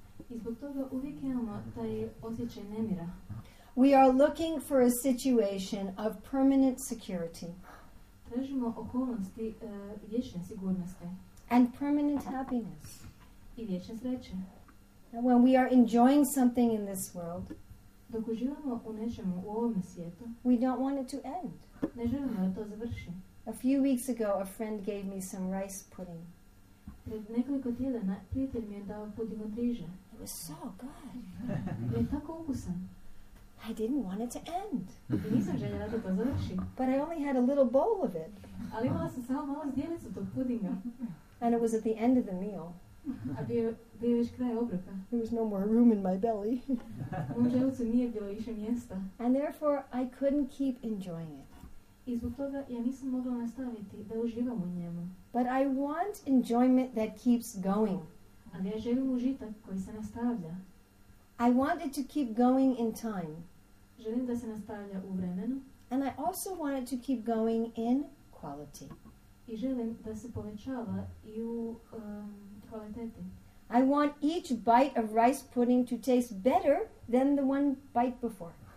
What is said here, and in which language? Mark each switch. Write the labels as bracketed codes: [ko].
[hr] I zbog toga uvijek imamo taj osjećaj nemira. [en] We are looking for a situation of permanent security. [hr] Tražimo okolnosti vječne sigurnosti. [en] And permanent happiness. [hr] I vječne sreće. [en] And when we are enjoying something in this world, [hr] dok uživamo u nečemu u ovom svijetu, [en] we don't want it to end. [hr] Ne želimo da to završi. [en] A few weeks ago, a friend gave me some rice pudding. [hr] Pred nekoliko tjedana, prijatelj mi je dao puding od riže. [en] It was so good. [hr] Je tako ukusan. [en] I didn't want it to end. [hr] I nisam željela da to završi. [en] But I only had a little bowl of it. [hr] Ali imala sam samo malo zdjelicu tog pudinga. [en] And it was at the end of the meal. [hr] A bio već kraj obroka. [en] There was no more room in my belly. [hr] U želucu nije bilo više mjesta. [en] And therefore, I couldn't keep enjoying it. [hr] I zbog toga ja nisam mogla nastaviti da uživam u njemu. [en] But I want enjoyment that keeps going. [hr] Ali ja želim užitak koji se nastavlja. [en] I want it to keep going in time. [hr] Želim da se nastavlja u vremenu. [en] And I also want it to keep going in quality. [hr] I želim da se povećava i u kvaliteti. [en] I want each bite of rice pudding to taste better than the one bite before.